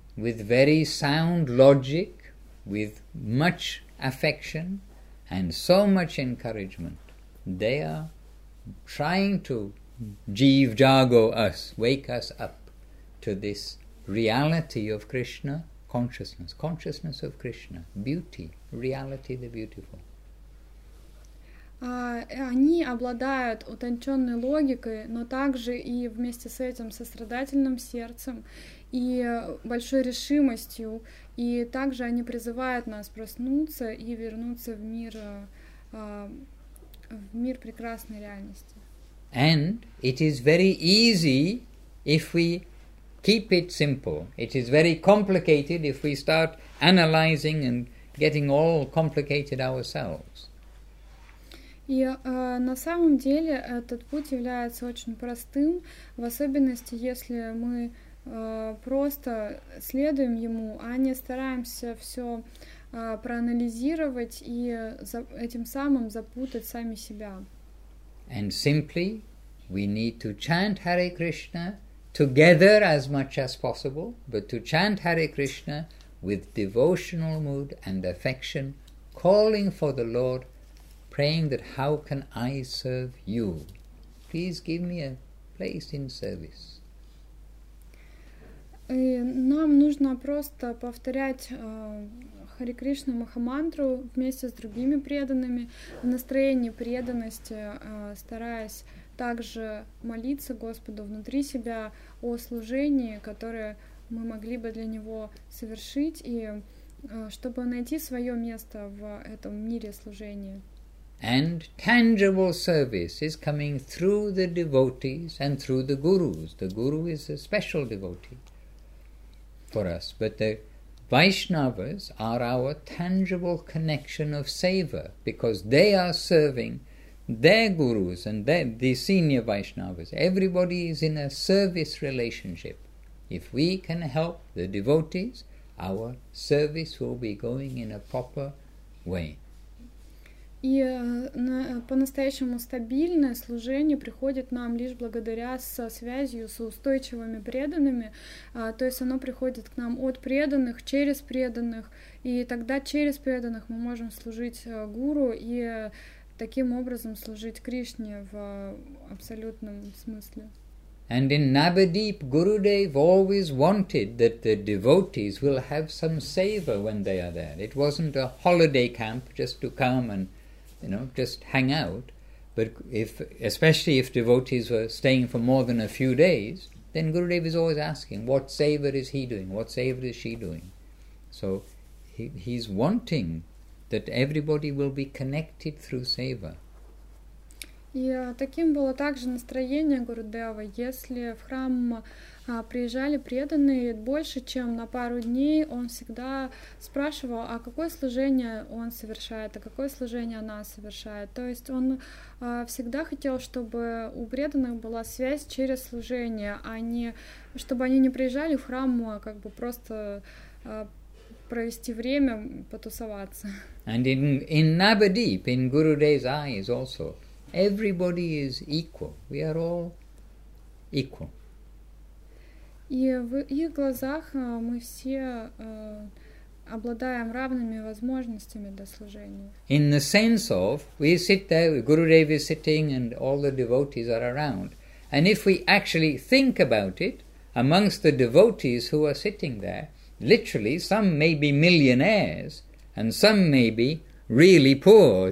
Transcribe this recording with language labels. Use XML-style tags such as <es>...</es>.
<en>With very sound logic, with much affection and so much encouragement, they are trying to</en> <hi>jeev jago</hi> <en>us, wake us up to this reality of Krishna, consciousness of Krishna, beauty, reality the beautiful.</en> <ru>Они обладают утонченной логикой, но также и вместе с этим сострадательным сердцем и большой решимостью, и также они призывают нас проснуться и вернуться в мир прекрасной реальности.</ru> <en>And it is very easy if we keep it simple. It is very complicated if we start analyzing and getting all complicated ourselves.</en> <ru>И на самом деле этот путь является очень простым, в особенности, если мы просто следуем ему, а не стараемся все проанализировать и этим самым запутать сами себя.</ru> <en>And simply, we need to chant Hare Krishna together as much as possible, but to chant Hare Krishna with devotional mood and affection, calling for the Lord, praying that how can I serve you? Please give me a place in service.</en> <ru>И нам нужно просто повторять Хари Кришна Махамантру вместе с другими преданными в настроении преданности, стараясь также молиться Господу внутри себя о служении, которое мы могли бы для Него совершить, и чтобы найти свое место в этом мире служения.</ru> <en>And tangible service is coming through the devotees and through the gurus. The guru is a special devotee for us. But the Vaishnavas are our tangible connection of seva because they are serving their gurus and the senior Vaishnavas. Everybody is in a service relationship. If we can help the devotees, our service will be going in a proper way.</en> <ru>И по-настоящему стабильное служение приходит нам лишь благодаря со связью с устойчивыми преданными, то есть оно приходит к нам от преданных, через преданных, и тогда через преданных мы можем служить гуру и таким образом служить Кришне в абсолютном смысле.</ru> <en>And in Navadvip, Gurudev always wanted that the devotees will have some seva when they are there. It wasn't a holiday camp just to come and just hang out, but especially if devotees were staying for more than a few days, then Gurudev is always asking, what seva is he doing? What seva is she doing? So he's wanting that everybody will be connected through seva.</en> <ru>И таким было также настроение Гурудева. Если в храм приезжали преданные больше, чем на пару дней, он всегда спрашивал, а какое служение он совершает, а какое служение она совершает. То есть он всегда хотел, чтобы у преданных была связь через служение, а не чтобы они не приезжали в храм, а как бы просто провести время, потусоваться.</ru> <en>And in Navadvip, in Gurudev's eyes also, everybody is equal. We are all equal.</en> <ru>И в их глазах мы все обладаем равными возможностями для служения.</ru> <en>In the sense of, we sit there, Gurudev is sitting and all the devotees are around. And if we actually think about it, amongst the devotees who are sitting there, literally some may be millionaires and some may be really poor.</en>